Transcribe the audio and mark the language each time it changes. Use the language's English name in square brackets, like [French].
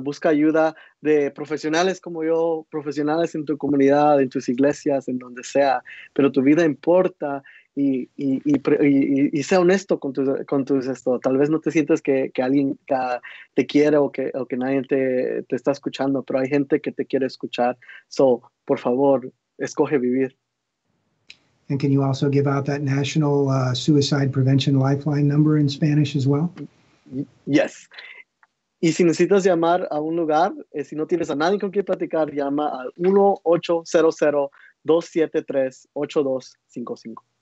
[Spanish] Busca ayuda de profesionales como yo, profesionales en tu comunidad, en tus iglesias, en donde sea. Pero tu vida importa. Y sea honesto con tus esto. Tal vez no te sientas que alguien te quiere o que nadie te está escuchando, pero hay gente que te quiere escuchar. So, por favor, escoge vivir. [English] And can you also give out that national suicide prevention lifeline number in Spanish as well? Yes. [Spanish] Y si necesitas llamar a un lugar, si no tienes a nadie con quien platicar, llama al 1-800-273-8255.